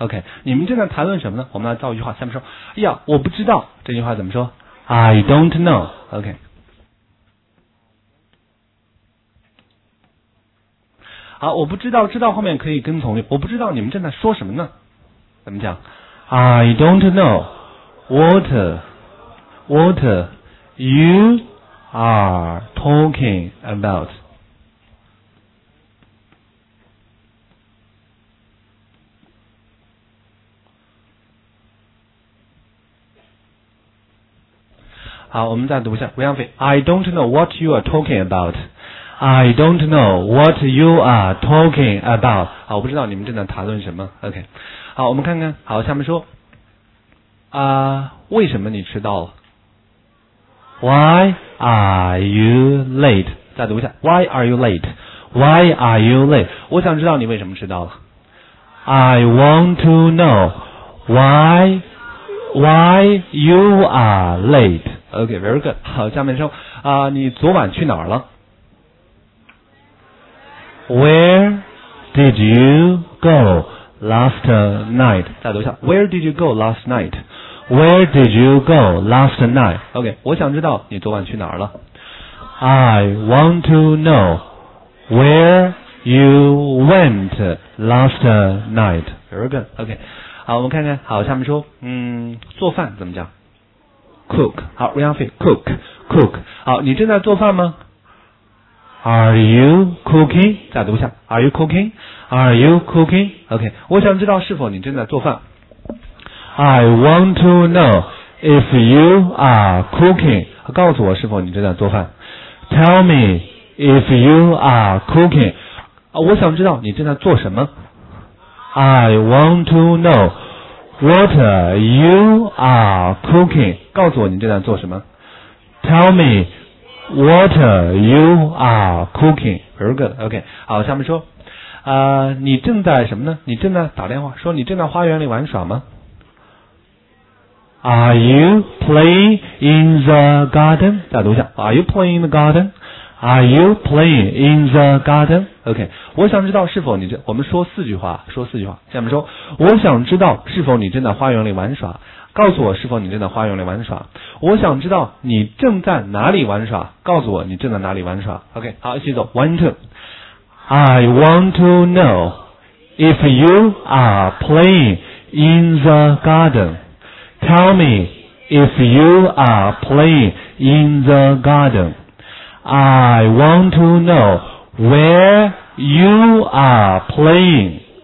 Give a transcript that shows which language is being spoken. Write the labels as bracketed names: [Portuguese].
[Chinese] OK， 你们正在谈论什么呢？我们来造一句话，下面说，哎呀，我不知道，这句话怎么说 ？ [English] I don't know. [Chinese] OK， 好，我不知道，知道后面可以跟从句，我不知道你们正在说什么呢？怎么讲 ？ [English] I don't know what you are talking about. [Chinese] 好，我们再读一下，不浪费。 [English] I don't know what you are talking about. I don't know what you are talking about. [Chinese] 好，我不知道你们正在谈论什么。 OK， 好，我们看看。好，下面说，为什么你迟到了 ？ [English] Why are you late？ [Chinese] 再读一下 ， [English] Why are you late？ Why are you late？ [Chinese] 我想知道你为什么迟到了。 [English] I want to know why you are late. OK, very good. [Chinese] 好，下面说啊，你昨晚去哪儿了 ？ [English] Where did you go last night? [Chinese] 再读一下 ， [English] Where did you go last night? Where did you go last night? OK, [Chinese] 我想知道你昨晚去哪儿了。 [English] I want to know where you went last night. Very good. [Chinese] OK, 好，我们看看。好，下面说，做饭怎么讲？ Cook， 好 ，Ryanfei， cook， 好，你正在做饭吗 ？ [English] Are you cooking？ [Chinese] 再读一下 ， [English] Are you cooking？Are you cooking？ [Chinese] OK，、okay, 我想知道是否你正在做饭。 [English] I want to know if you are cooking。 [Chinese] 告诉我是否你正在做饭。 [English] Tell me if you are cooking。 [Chinese] 我想知道你正在做什么。 [English] I want to know。 What you are cooking? [Chinese] 告诉我你正在做什么。 [English] Tell me what you are cooking. Very good. OK. [Chinese] 好，下面说，你正在什么呢？你正在打电话，说你正在花园里玩耍吗 ？ [English] Are you playing in the garden? [Chinese] 再读一下。 [English] Are you playing in the garden? Are you playing in the garden? OK. [Chinese] 我想知道是否你这我们说四句话，说四句话。下面说，我想知道是否你正在花园里玩耍。告诉我是否你正在花园里玩耍。我想知道你正在哪里玩耍。告诉我你正在哪里玩耍。 OK. 好，一起走。 [English] One, two. I want to know if you are playing in the garden. Tell me if you are playing in the garden. I want to know where you are playing.